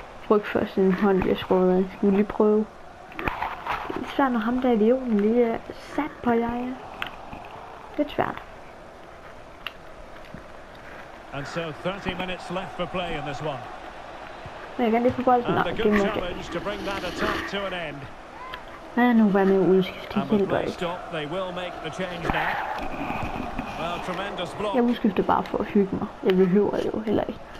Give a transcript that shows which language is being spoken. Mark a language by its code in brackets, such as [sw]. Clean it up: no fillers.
[da] Ryk først en hånd, jeg skruede af. Skal vi lige prøve? Så når ham der idioten lige er sat på jer. Ja. Det er svært. [en] And so 30 minutes left for play in this one. [da] Men jeg kan lige få bolden. Nå, det må jeg gøre. Hvad er nu, hvad med udskift? Det hjælper ikke. Jeg udskifter bare for at hygge mig. Jeg behøver det jo heller ikke.